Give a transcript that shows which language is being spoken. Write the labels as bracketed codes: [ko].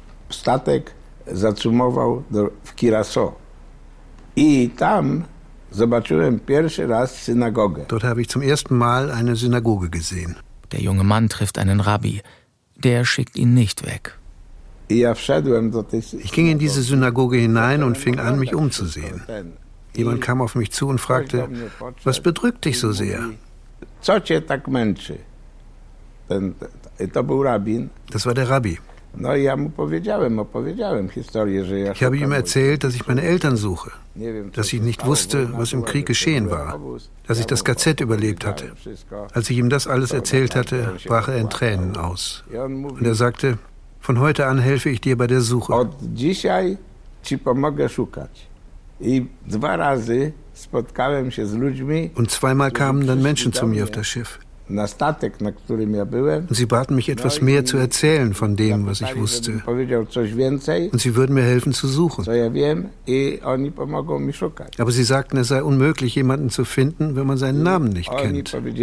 [pl] Statek zatrzymował w Curaçao. I tam zobaczyłem pierwszy raz synagogę. [de] Dort habe ich zum ersten Mal eine Synagoge gesehen. Der junge Mann trifft einen Rabbi. Der schickt ihn nicht weg. Ich ging in diese Synagoge hinein und fing an, mich umzusehen. Jemand kam auf mich zu und fragte, was bedrückt dich so sehr? [pl] Co cię tak męczy? To był rabin. [de] Das war der Rabbi. Ich habe ihm erzählt, dass ich meine Eltern suche, dass ich nicht wusste, was im Krieg geschehen war, dass ich das KZ überlebt hatte. Als ich ihm das alles erzählt hatte, brach er in Tränen aus. Und er sagte, von heute an helfe ich dir bei der Suche. [pl] Od dzisiaj ci pomogę szukać. I dwa razy spotkałem się z ludźmi. [de] Und zweimal kamen dann Menschen zu mir auf das Schiff. Und sie baten mich, etwas mehr zu erzählen von dem, was ich wusste. Und sie würden mir helfen zu suchen. Aber sie sagten, es sei unmöglich, jemanden zu finden, wenn man seinen Namen nicht kennt.